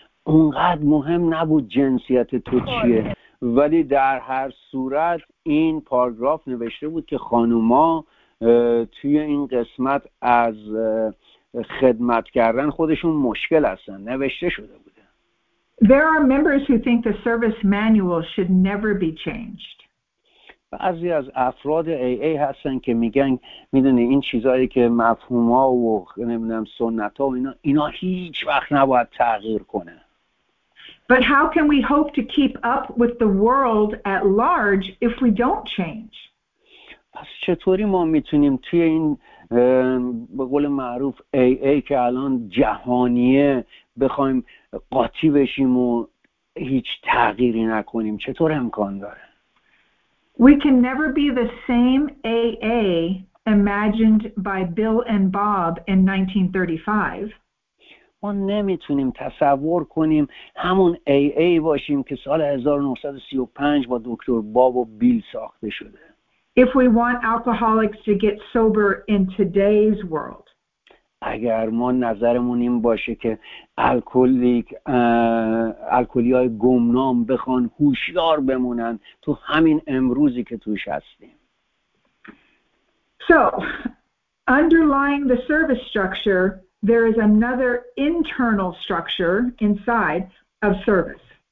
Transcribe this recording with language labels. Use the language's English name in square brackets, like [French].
[Persian] اونقدر مهم نبود جنسیت تو چیه، ولی در هر صورت این پاراگراف نوشته بود که خانوما توی این قسمت از خدمت کردن خودشون مشکل هستن، نوشته شده بوده. [English] There are members who think the service manual should never be changed. [Persian] بعضی از افراد AA هستن که میگن میدونی این چیزایی که مفهوم ها و نمیدونم سنت ها و اینا هیچ وقت نباید تغییر کنه. [English] But how can we hope to keep up with the world at large if we don't change? [Persian] پس چطوری ما میتونیم توی این به قول معروف AA که الان جهانیه بخوایم قاطی بشیم و هیچ تغییری نکنیم؟ چطور امکان داره؟ [English] We can never be the same AA imagined by Bill and Bob in 1935. [Persian] ما نمیتونیم تصور کنیم همون AA باشیم که سال 1935 با دکتر باب و بیل ساخته شده. [English] If we want alcoholics to get sober in today's world. [Persian] اگر ما نظرمون این باشه که الکلی‌های گمنام بخوان هوشیار بمونن تو همین امروزی که توش هستیم. [English] So, underlying the service structure, there is another internal structure inside of service.